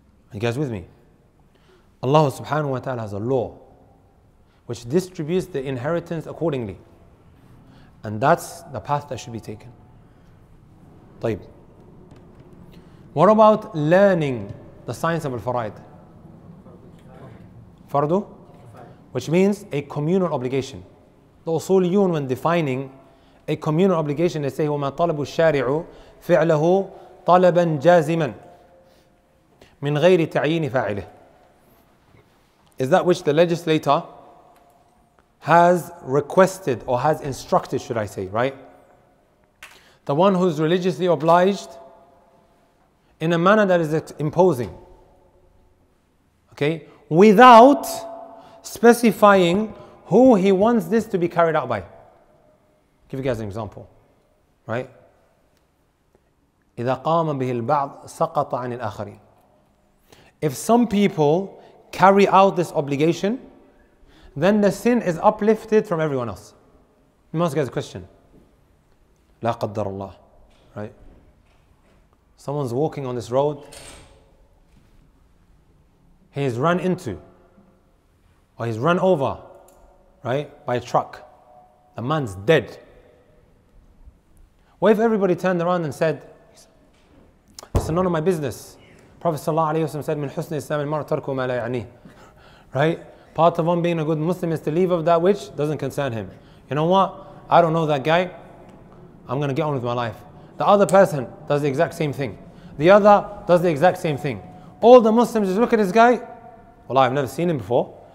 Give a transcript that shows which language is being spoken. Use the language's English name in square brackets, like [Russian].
[English] Are you guys with me? Allah subhanahu wa ta'ala has a law which distributes the inheritance accordingly, and that's the path that should be taken. [Arabic] طيب. [English] What about learning the science of al-fara'id? Fardu? Which means a communal obligation. The usuliyun, when defining a communal obligation, they say, [Arabic] وَمَا طَلَبُ الشَّارِعُ فِعْلَهُ طَلَبًا جَازِمًا مِنْ غَيْرِ تَعْيِينِ فَاعِلِهِ. [English] is that which the legislator has requested or has instructed, should I say, right? The one who's religiously obliged in a manner that is imposing. Okay? Without specifying who he wants this to be carried out by. I'll give you guys an example. Right? [Arabic] إِذَا قَامَ بِهِ الْبَعْضِ سَقَطَ عَنِ الْآخَرِينَ. [English] If some people carry out this obligation, then the sin is uplifted from everyone else. You must get a question. [Arabic] لَا قَدَّرَ اللَّهِ. [English] Right? Someone's walking on this road. He's run into, or he's run over, right, by a truck. The man's dead. What if everybody turned around and said, it's none of my business? Prophet sallallahu alayhi wa sallam said, [Arabic] مِنْ حُسْنِ إِسْلَامِ الْمَرْءِ تَرْكُهُ مَا لَا يَعْنِيهِ. [English] Right? Part of one being a good Muslim is to leave of that which doesn't concern him. You know what? I don't know that guy. I'm going to get on with my life. The other person does the exact same thing. The other does the exact same thing. All the Muslims just look at this guy. Well, I've never seen him before.